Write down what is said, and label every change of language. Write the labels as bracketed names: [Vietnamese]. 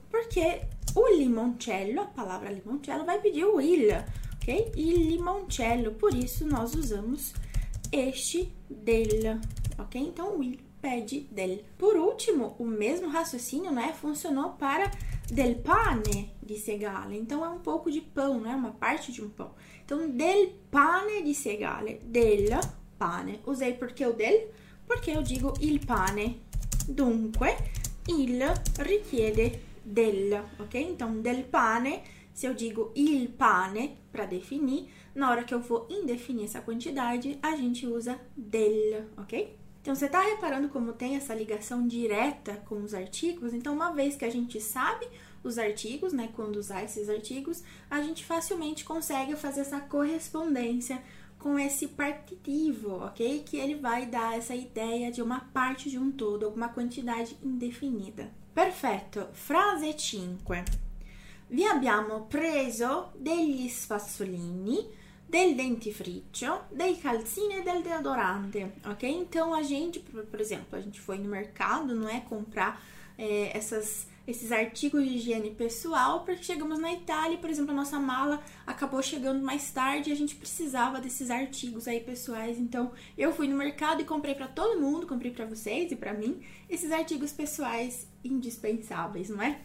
[Portuguese] Porque o limoncello, a palavra limoncello, vai pedir o il, ok? [Italian] Il limoncello. [Portuguese] Por isso, nós usamos este del, ok? Então, o il pede del. Por último, o mesmo raciocínio, né? Funcionou para [Italian] del pane di segale. [Portuguese] Então, é um pouco de pão, né? Uma parte de um pão. Então, [Italian] del pane di segale. Del pane. [Portuguese] Usei porque o del? Porque eu digo [Italian] il pane. Dunque, il richiede del, ok? [Portuguese] Então, [Italian] del pane, [Portuguese] se eu digo [Italian] il pane [Portuguese] para definir, na hora que eu for indefinir essa quantidade, a gente usa del, ok? Então, você tá reparando como tem essa ligação direta com os artigos? Então, uma vez que a gente sabe os artigos, né, quando usar esses artigos, a gente facilmente consegue fazer essa correspondência com esse partitivo, ok? Que ele vai dar essa ideia de uma parte de um todo, alguma quantidade indefinida. [Italian] Perfetto. Frase 5. Vi abbiamo preso degli spazzolini, del dentifricio, dei calzini e del deodorante, ok? [Portuguese] Então, a gente, por exemplo, a gente foi no mercado, não é, comprar esses artigos de higiene pessoal, porque chegamos na Itália, por exemplo, a nossa mala acabou chegando mais tarde e a gente precisava desses artigos aí pessoais. Então, eu fui no mercado e comprei para todo mundo, comprei para vocês e para mim, esses artigos pessoais indispensáveis, não é?